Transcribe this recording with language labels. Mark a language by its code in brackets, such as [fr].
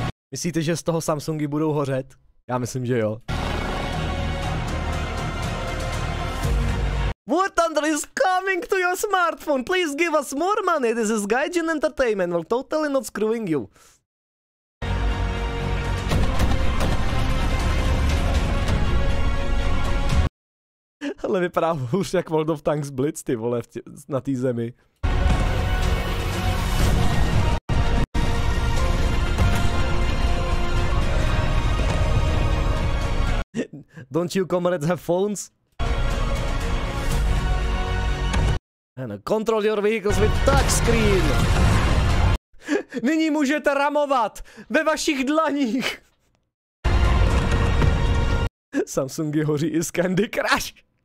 [cs] Myslíte, že z toho Samsungy budou hořet? Já myslím, že jo. [en] War Thunder is coming to your smartphone! Please give us more money! This is Gaijin Entertainment, we're totally not screwing you! [cs] Ale vypadá už jak World of Tanks Blitz, ty vole, na té zemi. [en] Don't you comrades have phones? And control your vehicles with touchscreen! [cs] Nyní můžete ramovat ve vašich dlaních! Samsungy hoří i z Candy Crush!